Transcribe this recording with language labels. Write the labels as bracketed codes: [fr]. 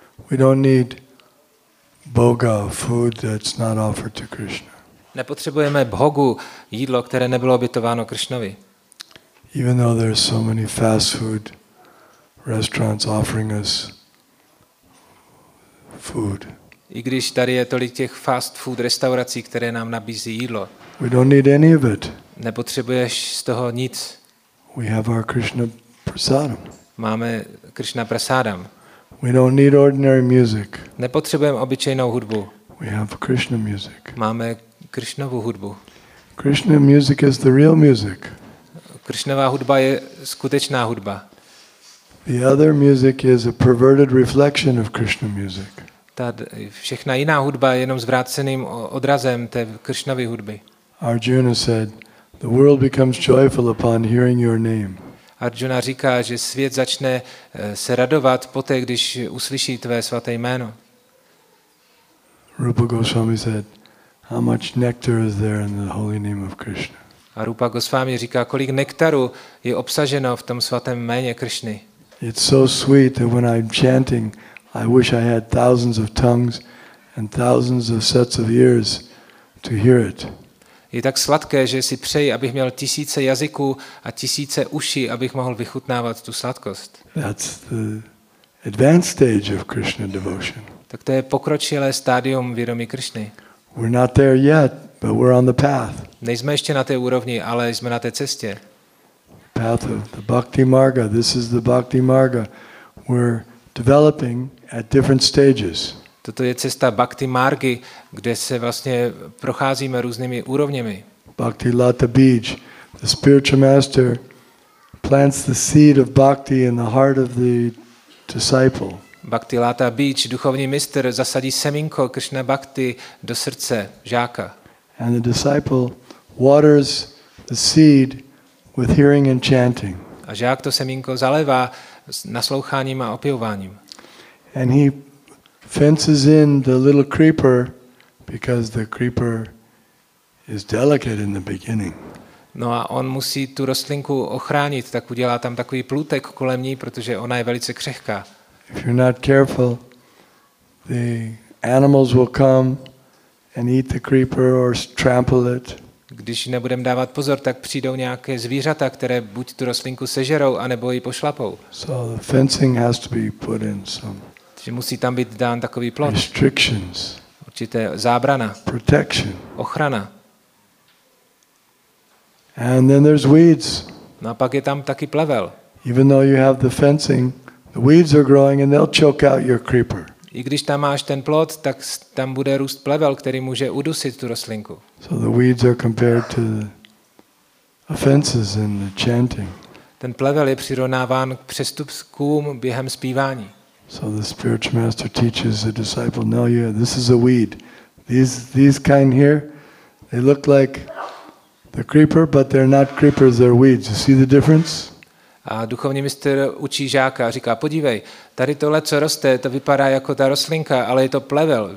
[en] We don't need bhoga, food that's not offered to Krishna. [cs] Nepotřebujeme bhogu, jídlo, které nebylo obětováno Krishnovi. [en] Even though there are so many fast food restaurants offering us food. [cs] I když tady je tolik těch fast food restaurací, které nám nabízí jídlo. [en] We don't need any of it. [cs] Nepotřebuješ z toho nic. [en] We have our Krishna prasadam. [cs] Máme Krishna prasadam. [en] We don't need ordinary music. [cs] Nepotřebujeme obyčejnou hudbu. [en] We have Krishna music. [cs] Máme Krishnovu hudbu. [en] Krishna music is the real music. [cs] Krishnova hudba je skutečná hudba. [en] The other music is a perverted reflection of Krishna music. [cs] Ta všechna jiná hudba je jenom zvráceným odrazem té Krishnovy hudby. [en] Arjuna said, "The world becomes joyful upon hearing your name." [cs] Arjuna říká, že svět začne se radovat poté, když uslyší tvé svaté jméno. [en] Rupa Goswami said, "How much nectar is there in the holy name of Krishna?" [cs] A Rupa Goswami říká, kolik nektaru je obsaženo v tom svatém jméně Krishny. [en] It's so sweet that when I'm chanting, I wish I had thousands of tongues and thousands of sets of ears to hear it. [cs] Je tak sladké, že si přeji, abych měl tisíce jazyků a tisíce uší, abych mohl vychutnávat tu sladkost. [en] That's the advanced stage of Krishna devotion. [cs] Tak to je pokročilé stádium vědomí Krishny. [en] We're not there yet, but we're on the path. [cs] Nejsme ještě na té úrovni, ale jsme na té cestě. [en] Path of the Bhakti Marga. This is the Bhakti Marga. We're developing at different stages. [cs] Toto je cesta Bhakti Margi, kde se vlastně procházíme různými úrovněmi. [sa] Bhakti Lata Beej. [en] The spiritual master plants the seed of bhakti in the heart of the disciple. [cs] Bhakti Lata Beej, duchovní mistr, zasadí semínko Krishna bhakti do srdce žáka. [en] And the disciple waters the seed with hearing and chanting. [cs] A žák to semínko zalévá nasloucháním a opěvováním. [en] And he fences in the little creeper because the creeper is delicate in the beginning. [cs] No a on musí tu rostlinku ochránit, tak udělá tam takový plůtek kolem ní, protože ona je velice křehká. [en] If you're not careful, the animals will come and eat the creeper or trample it. [cs] Když nebudeme dávat pozor, tak přijdou nějaké zvířata, které buď tu rostlinku sežerou, anebo ji pošlapou. [en] So the fencing has to be put in some. [cs] Takže musí tam být dán takový plot. [en] Restrictions. [cs] Určité zábrana. [en] Protection. [cs] Ochrana. [en] And then there's weeds. [cs] No a pak je tam taky plevel. [en] Even though you have the fencing, the weeds are growing and they'll choke out your creeper. [cs] I když tam máš ten plot, tak tam bude růst plevel, který může udusit tu rostlinku. [en] So the weeds are compared to the offenses in the chanting. [cs] Ten plevel je přirovnáván k přestupkům během zpívání. [en] So the spiritual master teaches the disciple, no, yeah, this is a weed. These kind here, they look like the creeper, but they're not creepers, they're weeds. You see the difference? [cs] A duchovní mistr učí žáka a říká, podívej, tady tohle, co roste, to vypadá jako ta rostlinka, ale je to plevel.